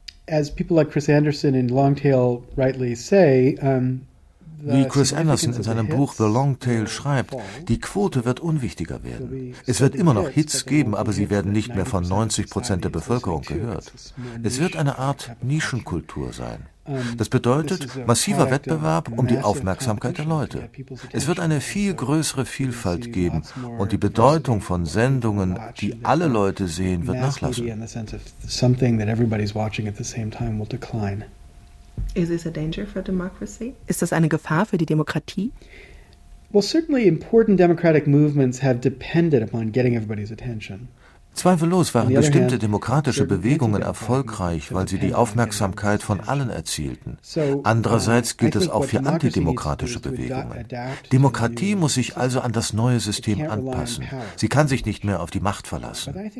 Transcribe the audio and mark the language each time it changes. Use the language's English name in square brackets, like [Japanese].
[English] As people like Chris Anderson in Longtail rightly say, [German] wie Chris Anderson in seinem Buch The Long Tail schreibt, die Quote wird unwichtiger werden. Es wird immer noch Hits geben, aber sie werden nicht mehr von 90% der Bevölkerung gehört. Es wird eine Art Nischenkultur sein. Das bedeutet massiver Wettbewerb um die Aufmerksamkeit der Leute. Es wird eine viel größere Vielfalt geben und die Bedeutung von Sendungen, die alle Leute sehen, wird nachlassen. Ist das eine Gefahr für die Demokratie? [English] Well, certainly important democratic movements have depended upon getting everybody's attention. [German] Zweifellos waren bestimmte demokratische Bewegungen erfolgreich, weil sie die Aufmerksamkeit von allen erzielten. Andererseits gilt es auch für antidemokratische Bewegungen. Demokratie muss sich also an das neue System anpassen. Sie kann sich nicht mehr auf die Macht verlassen.